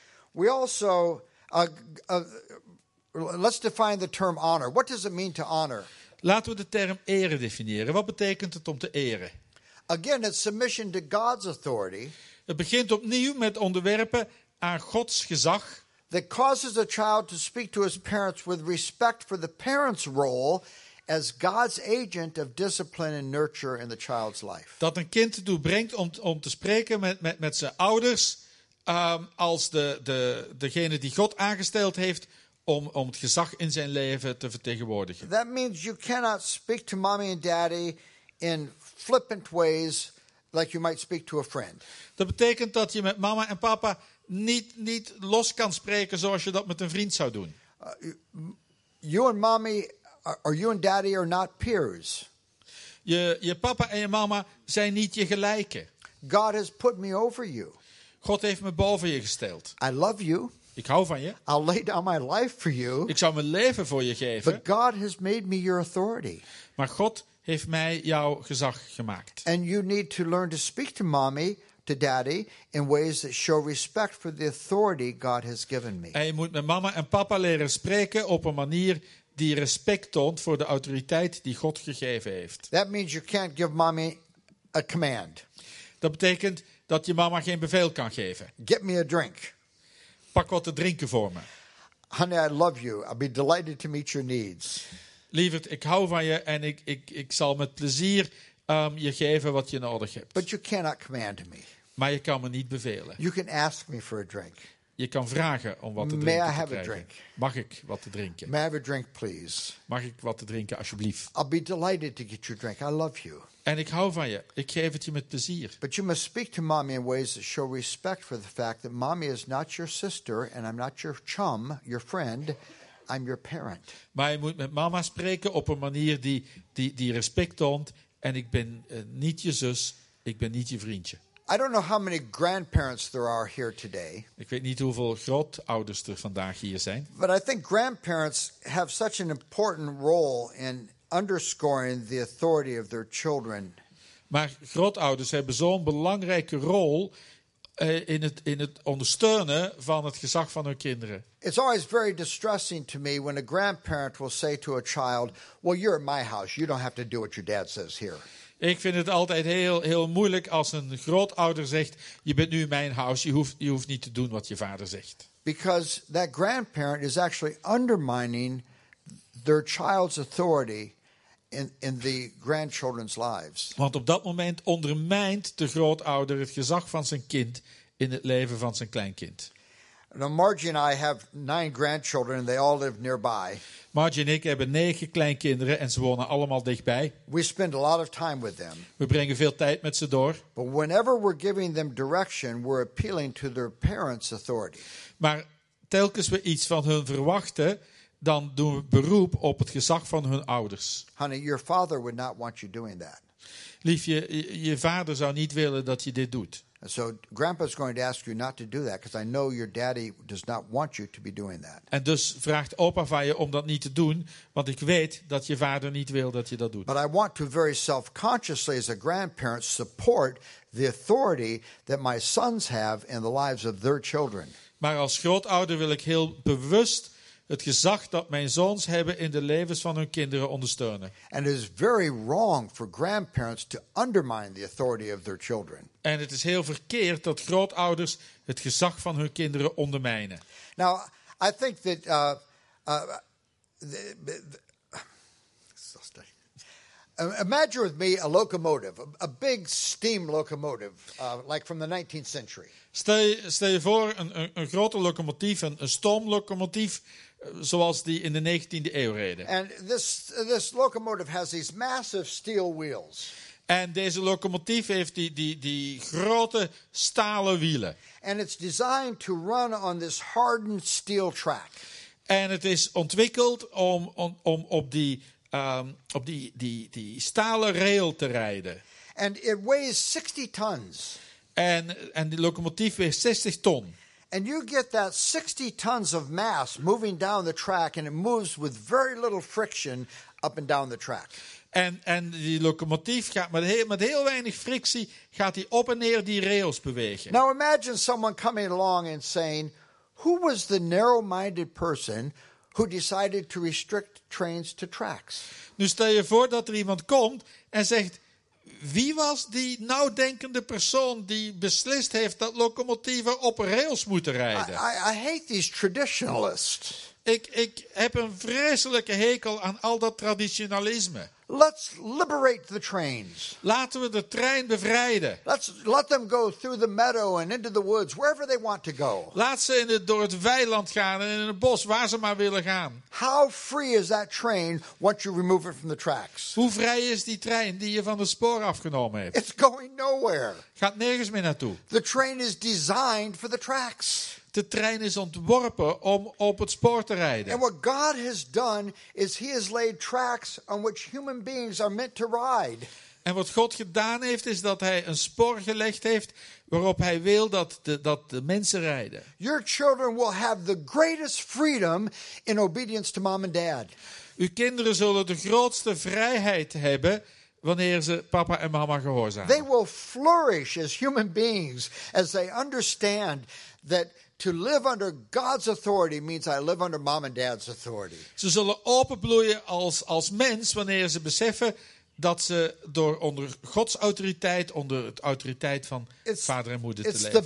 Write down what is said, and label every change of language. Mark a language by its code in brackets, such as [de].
[en] We also let's define the term honor. What does it mean to honor? [nl] Laten we de term eren definiëren. Wat betekent het om te eren? [en] Again, it's submission to God's authority. [nl] Het begint opnieuw met onderwerpen aan Gods gezag. [en] That causes a child to speak to his parents with respect for the parents' role as God's agent of discipline and nurture in the child's life. [nl] Dat een kind ertoe brengt om te spreken met zijn ouders als degene die God aangesteld heeft om het gezag in zijn leven te vertegenwoordigen. [en] That means you cannot speak to mommy and daddy in flippant ways like you might speak to a friend. [nl] Dat betekent dat je met mama en papa niet los kan spreken zoals je dat met een vriend zou doen. [en] You and mommy, or you and daddy are not peers. [nl] Je papa en je mama zijn niet je gelijken. [en] God has put me over you. [nl] God heeft me boven je gesteld. [en] I love you. [nl] Ik hou van je. [en] I'll lay down my life for you. [nl] Ik zou mijn leven voor je geven. [en] But God has made me your authority. [nl] Maar God heeft mij jouw gezag gemaakt. [en] And you need to learn to speak to mommy, to daddy, in ways that show respect for the authority God has given me. [nl] En je moet met mama en papa leren spreken op een manier die respect toont voor de autoriteit die God gegeven heeft. [en] That means you can't give mommy a command. [nl] Dat betekent dat je mama geen bevel kan geven. [en] Get me a drink. [nl] Pak wat te drinken voor me. [en] Honey, I love you. I'll be delighted to meet your needs. [nl] Lieverd, ik hou van je en ik zal met plezier je geven wat je nodig hebt. [en] But you cannot command me. [nl] Maar je kan me niet bevelen. [en] You can ask me for a drink. [nl] Je kan vragen om wat te drinken. [en] May I have a drink? [nl] Mag ik wat te drinken? [en] May I have a drink, please? [nl] Mag ik wat te drinken, alsjeblieft? [en] I'll be delighted to get you a drink. I love you. [nl] En ik hou van je. Ik geef het je met plezier. [en] But you must speak to mommy in ways that show respect for the fact that mommy is not your sister and I'm not your chum, your friend. I'm your parent. [nl] Maar je moet met mama spreken op een manier die respect toont. En ik ben niet je zus, ik ben niet je vriendje. [en] I don't know how many grandparents there are here today. [nl] Ik weet niet hoeveel grootouders er vandaag hier zijn. [en] But I think grandparents have such an important role in underscoring the authority of their children. [nl] Maar grootouders hebben zo'n belangrijke rol in het ondersteunen van het gezag van hun kinderen. [en] It's always very distressing to me when a grandparent will say to a child, "Well, you're in my house. You don't have to do what your dad says here." [nl] Ik vind het altijd heel, heel moeilijk als een grootouder zegt, je bent nu in mijn huis, je hoeft niet te doen wat je vader zegt. [en] Because that grandparent is actually undermining their child's authority in the grandchildren's lives. [nl] Want op dat moment ondermijnt de grootouder het gezag van zijn kind in het leven van zijn kleinkind. [en] Now Margie and I have 9 grandchildren and they all live nearby. [nl] Margie en ik hebben 9 kleinkinderen en ze wonen allemaal dichtbij. [en] We spend a lot of time with them. [nl] We brengen veel tijd met ze door. [en] But whenever we're giving them direction, we're appealing to their parents' authority. [nl] Maar telkens we iets van hun verwachten, dan doen we beroep op het gezag van hun ouders. [en] Honey, your father would not want you doing that. [nl] Liefje, je vader zou niet willen dat je dit doet. [en] So grandpa's going to ask you not to do that because I know your daddy does not want you to be doing that. [nl] En dus vraagt opa van je om dat niet te doen, want ik weet dat je vader niet wil dat je dat doet. [en] But I want to very self-consciously as a grandparent support the authority that my sons have in the lives of their children. [nl] Maar als grootouder wil ik heel bewust het gezag dat mijn zoons hebben in de levens van hun kinderen ondersteunen. [en] And it is very wrong for grandparents to undermine the authority of their children. [nl] En het is heel verkeerd dat grootouders het gezag van hun kinderen ondermijnen. [en] Now, I think that imagine with me a locomotive, a big steam locomotive, like from the 19th century. [nl] Stel je voor een grote locomotief, een stoomlocomotief, zoals die in de 19e eeuw reden. [en] And this locomotive has these massive steel wheels. [nl] En deze locomotief heeft die grote stalen wielen. [en] And it's designed to run on this hardened steel track. [nl] En het is ontwikkeld om op die stalen rail te rijden. [en] And it weighs 60 tons. [nl] En die locomotief weegt 60 ton. [en] And you get that 60 tons of mass moving down the track and it moves with very little friction up and down the track. [nl] En die locomotief gaat met heel weinig frictie gaat hij op en neer die rails bewegen. [en] Now imagine someone coming along and saying, who was the narrow-minded person who decided to restrict trains to tracks? [nl] Nu stel je voor dat er iemand komt en zegt, wie was die nauwdenkende persoon die beslist heeft dat locomotieven op rails moeten rijden? [en] I hate these traditionalists. [nl] Ik heb een vreselijke hekel aan al dat traditionalisme. [en] Let's liberate the trains. [nl] Laten we de trein bevrijden. [en] Let's let them go through the meadow and into the woods, wherever they want to go. [nl] Laat ze in het, door het weiland gaan en in het bos, waar ze maar willen gaan. [en] How free is that train once you remove it from the tracks? [nl] Hoe vrij is die trein die je van de spoor afgenomen hebt? [en] It's going nowhere. [nl] Gaat nergens meer naartoe. [en] The train is designed for the tracks. [nl] De trein is ontworpen om op het spoor te rijden. [en] And what God has done is he has laid tracks on which human beings are meant to ride. [nl] En wat God gedaan heeft is dat hij een spoor gelegd heeft waarop hij wil dat de mensen rijden. [en] Your children will have the greatest freedom in obedience to mom and dad. [nl] Uw kinderen zullen de grootste vrijheid hebben wanneer ze papa en mama gehoorzamen. [en] They will flourish as human beings as they understand that to live under God's authority means I live under mom and dad's authority. [nl] Ze zullen openbloeien als mens wanneer ze beseffen dat ze door onder Gods autoriteit, onder het autoriteit van vader en moeder te leven.